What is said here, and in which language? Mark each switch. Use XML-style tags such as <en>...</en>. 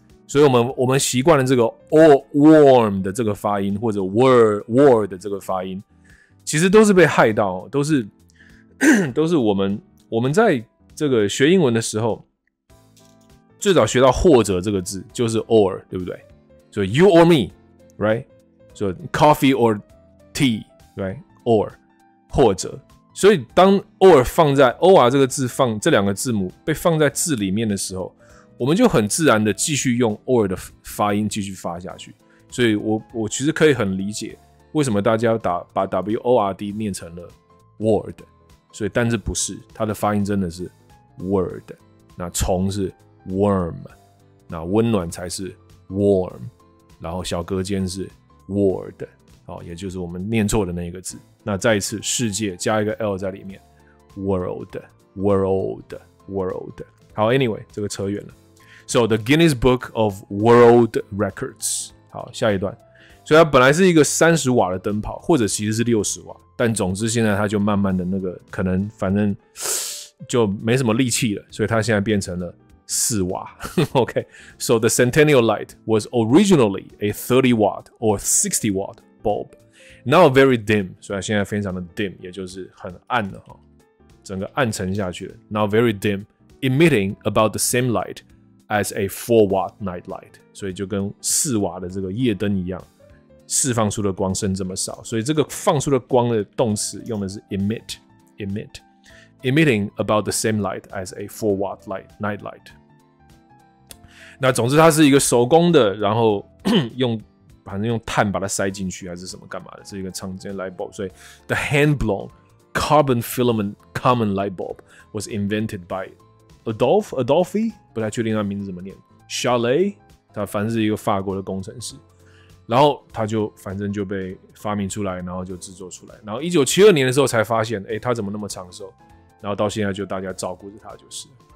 <zh>所以我们习惯了这个 all warm 的这个发音，或者 war 的这个发音，其实都是被害到，都是我们在这个学英文的时候，最早学到或者这个字就是 or， 对不对？</zh> <en>所以 you or me， right？ 所以 coffee or tea， right？</en> <zh>or 或者，所以当 or 放在 or 这个字放这两个字母被放在字里面的时候，我们就很自然的继续用 or 的发音继续发下去。所以我其实可以很理解为什么大家把 word 念成了 word， 所以但是不是，它的发音真的是 word， 那虫是 worm， 那温暖才是 warm， 然后小隔间是 word，哦，也就是我们念错的那个字。那再一次，世界加一个 L 在里面， world， world， world。好， anyway， 这个扯远了。</zh> <en>So the Guinness Book of World Records。 好，下一段。</en> <zh>所以它本来是一个30瓦的灯泡，或者其实是60瓦，但总之现在它就慢慢的那个可能反正就没什么力气了，所以它现在变成了4瓦。</zh> <en>OK， so the Centennial Light was originally a 30 watt or 60 watt bulb， now very dim，</en> <zh>所以现在非常的 dim， 也就是很暗了，整个暗沉下去了。</zh> <en>Now very dim， emitting about the same light as a 4 watt night light，</en> <zh>所以就跟4瓦的这个夜灯一样，释放出的光剩这么少，所以这个放出的光的动词用的是 emit，</zh> <en>emitting about the same light as a 4 watt light night light。</en> <zh>那总之它是一个手工的，然后用碳把它塞进去还是什么干嘛的，是一个常见 light bulb。所以</zh> <en>the hand blown carbon filament common light bulb was invented by Adolphe，</en> <zh>不太确定他名字怎么念， Chalet， 他反正是一个法国的工程师，然后他就反正就被发明出来，然后就制作出来，然后1972年的时候才发现，欸，他怎么那么长寿，然后到现在就大家照顾着他就是。</zh>